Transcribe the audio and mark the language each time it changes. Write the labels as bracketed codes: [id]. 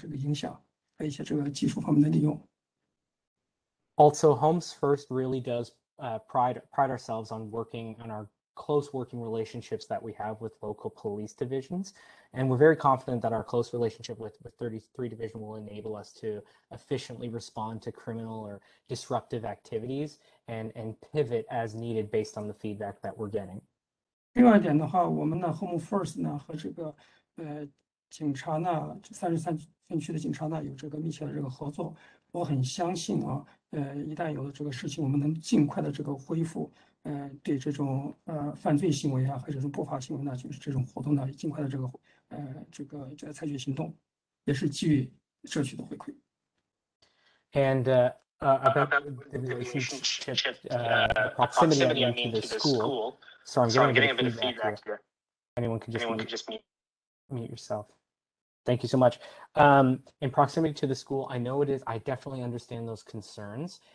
[zh] 那么呢，另外一点的话，我们呢是制定相应的政策和相应的这个规程，然后呢基于得到这个回馈，然后呢跟这个居民呢进行这个沟通，达成这种相应的协议，减少这方面的这个活动，减少这个对社区的危险造成的这个影响，和一些这个技术方面的利用。 [en] Also, Homes First really does pride ourselves on working on our close working relationships that we have with local police divisions. And we're very confident that our close relationship with 33 Division will enable us to efficiently respond to criminal or disruptive activities and pivot as needed based on the feedback that we're getting. [zh] 另外一点的话，我们呢，Home First 呢和这个，警察呢，33分区的警察呢有这个密切的这个合作，我很相信啊，一旦有了这个事情，我们能尽快的这个恢复，对这种犯罪行为啊，还是这种不法行为呢，就是这种活动呢，尽快的这个采取行动，也是基于社区的回馈。 [en] And about the proximity I mean to the school. Sorry, I'm getting a bit of feedback here. Anyone can just mute yourself. Thank you so much. In proximity to the school, I know it is. I definitely understand those concerns.